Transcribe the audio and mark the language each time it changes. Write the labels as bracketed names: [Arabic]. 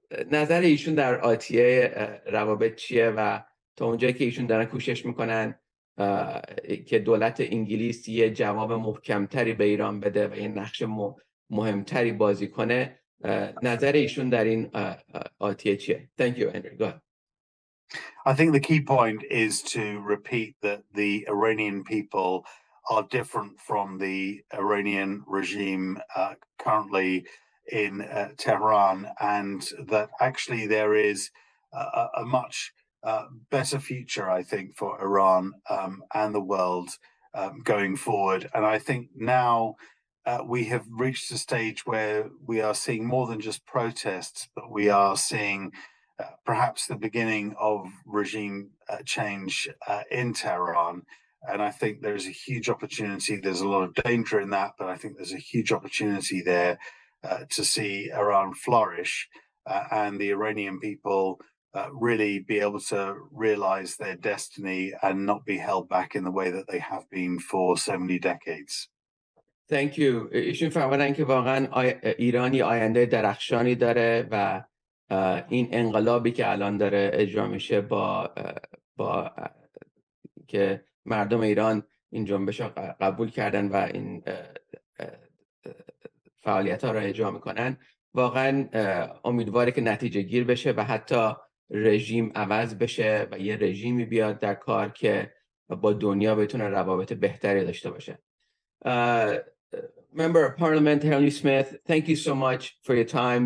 [Persian] نظر ایشون در آتیه روابط چیه و تا اونجایی که ایشون دارن کوشش میکنن که دولت انگلیس یه جواب محکمتری به ایران بده و یه نقش مهمتری بازی کنه نظر ایشون در این آتیه چیه؟ [English] Thank you, Henry. Go ahead. I think the key point is to repeat that the Iranian people are different from the Iranian regime currently in Tehran, and that actually there is a much better future, I think, for Iran and the world going forward. And I think now we have reached a stage where we are seeing more than just protests, but we are seeing perhaps the beginning of regime change in Tehran. And I think there's a huge opportunity. There's a lot of danger in that, but I think there's a huge opportunity there to see Iran flourish and the Iranian people really be able to realize their destiny and not be held back in the way that they have been for so many decades. Thank you. [Persian] ایشون فرمودن که واقعا ایرانی آینده درخشانی داره و این انقلابی که الان داره اجرا میشه با که مردم ایران این جنبش را قبول کردن و این فعالیت‌ها را اجرا می‌کنن واقعا امیدواره که نتیجه گیر بشه و حتی رژیم عوض بشه و یه رژیمی بیاد در کار که با دنیا بتونه روابط بهتری داشته باشه. [English] Member of Parliament Henry Smith, thank you so much for your time.